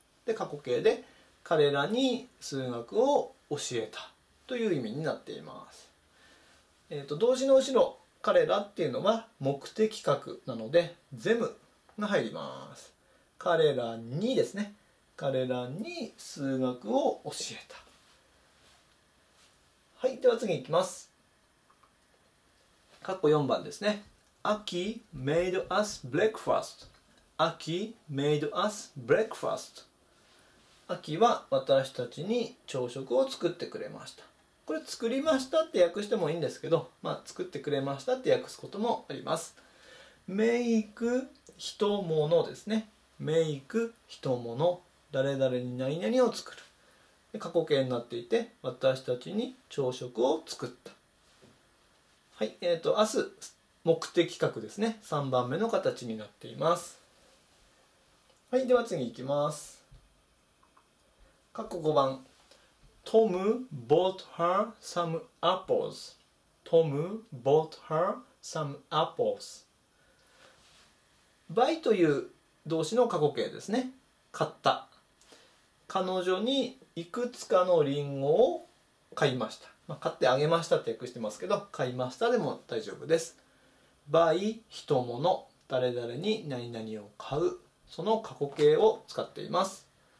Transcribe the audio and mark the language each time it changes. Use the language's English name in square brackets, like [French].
[Japanese] で、過去形で彼らに数学を教えたという意味になっています。動詞の後ろ、彼らっていうのは目的格なので them が入ります。彼らにですね、彼らに数学を教えた。はい、では次いきます。括弧4番ですね、 [English] Aki made us breakfast. Aki made us breakfast. [Japanese] Aki は私たちに朝食を作ってくれました。これ作りましたって訳してもいいんですけど、まあ、作ってくれましたって訳すこともあります。メイク人物ですね、メイク人物、誰々に何々を作る、で過去形になっていて、私たちに朝食を作った。はい、明日目的格ですね、3番目の形になっています。はい、では次いきます。括弧5番、 [English] Tom bought her some apples. Tom bought her some apples. [Japanese] Buy という動詞の過去形ですね。買った。彼女にいくつかのリンゴを買いました。まあ、買ってあげましたって訳してますけど、買いましたでも大丈夫です。 Buy 人物、誰々に何々を買う、その過去形を使っています。